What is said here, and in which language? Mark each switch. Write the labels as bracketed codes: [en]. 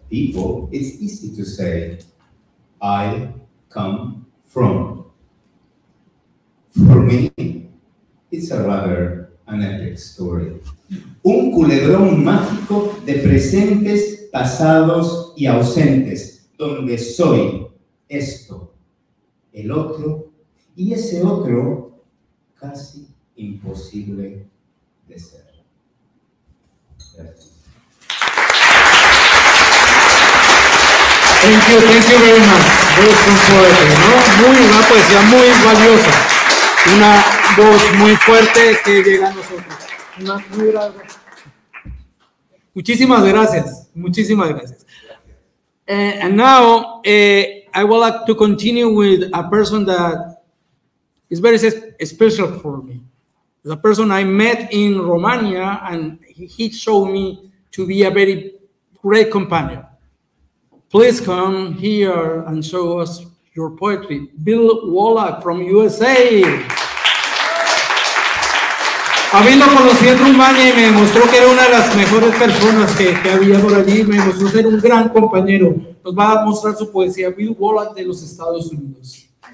[en] People, it's easy to say, I come from. For me, it's a rather an epic story. [es] Un culebrón mágico de presentes, pasados y ausentes, donde soy esto, el otro, y ese otro casi imposible de ser. [en] Thank you, very much. [es] Voz muy fuerte, ¿no? Una poesía muy valiosa. Una voz muy fuerte que llega a nosotros. Una muy grande. Muchísimas gracias. Muchísimas gracias. [en] And now, I would like to continue with a person that is very special for me. The person I met in Romania, and he showed me to be a very great companion. Please come here and show us your poetry. Bill Wallach from USA. [es] A mí lo conocí en Rumania y me demostró que era una de las mejores personas que había por allí. Me demostró ser un gran compañero. Nos va a mostrar su poesía, Bill Wallach de los Estados Unidos.